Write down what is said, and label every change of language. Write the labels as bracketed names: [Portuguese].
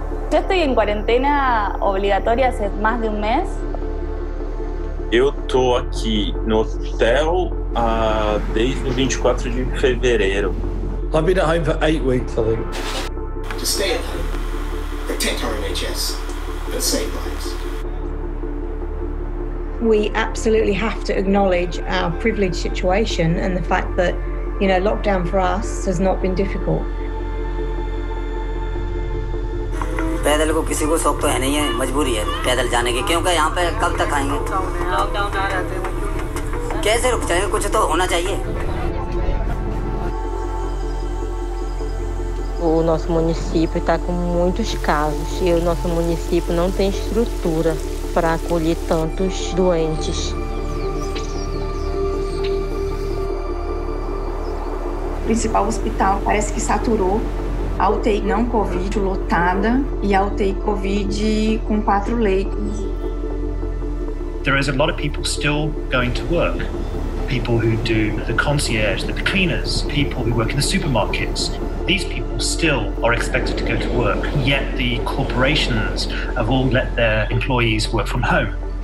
[Spanish] Yo estoy en cuarentena obligatoria hace más de un mes. [Portuguese] Eu tô aqui no hotel desde o 24 de fevereiro. [English] I've been at home for 8 weeks, I think. To stay at home, protect our NHS, and save lives. We absolutely have to acknowledge our privileged situation and the fact that, you know, lockdown for us has not been difficult. [Hindi] पैदल को किसी को शौक तो है नहीं है मजबूरी है पैदल जाने की क्योंकि यहां पे कब तक आएंगे लॉकडाउन आ रहा है कैसे रुक जाएंगे कुछ तो होना चाहिए [Portuguese] o nosso município está com muitos casos e o nosso município não tem estrutura para acolher tantos doentes. principal hospital parece que saturou. A UTI não COVID lotada e a UTI COVID com 4 leitos. [English] There is a lot of people still going to work. People who do the concierge, the cleaners, people who work in the supermarkets. These people still are expected to go to work, yet the corporations have all let their employees work from home.